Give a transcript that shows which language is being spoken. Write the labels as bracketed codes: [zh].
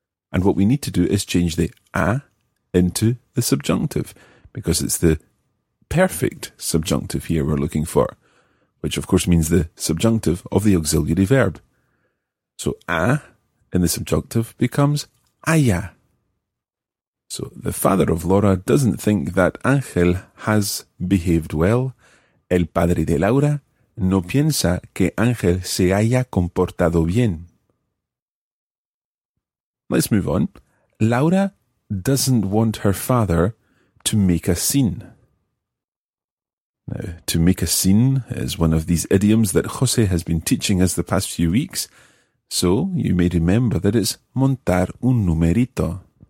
[en] And what we need to do is change the a into the subjunctive, because it's the perfect subjunctive here we're looking for, which of course means the subjunctive of the auxiliary verb. So a in the subjunctive becomes haya. So the father of Laura doesn't think that Ángel has behaved well. [es] El padre de Laura no piensa que Ángel se haya comportado bien. [en] Let's move on. Laura doesn't want her father to make a scene. To make a scene is one of these idioms that José has been teaching us the past few weeks. So you may remember that it's [es] montar un numerito.